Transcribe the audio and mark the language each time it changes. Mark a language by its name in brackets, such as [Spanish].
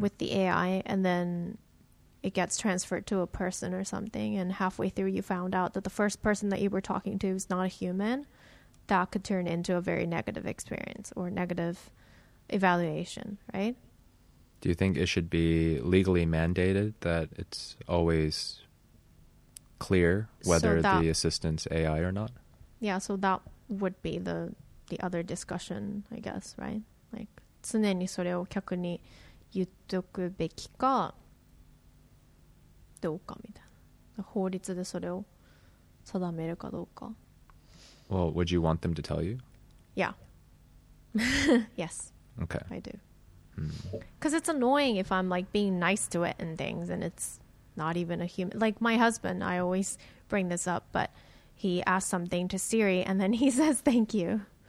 [English] with the AI and then it gets transferred to a person or something and halfway through you found out that the first person that you were talking to is not a human, that could turn into a very negative experience or negative evaluation, right? Do you think it should be legally mandated that it's always clear whether the assistant's AI or not? Yeah, so that would be the other discussion, I guess, right? [Japanese] Like, 常にそれを客に言っておくべきかどうかみたいな。法律でそれを定めるかどうか。 [English] Well, would you want them to tell you? Yeah. Yes. Okay. I do. Because it's annoying if I'm like being nice to it and things and it's not even a human. Like my husband, I always bring this up, but he asks something to Siri and then he says, thank you.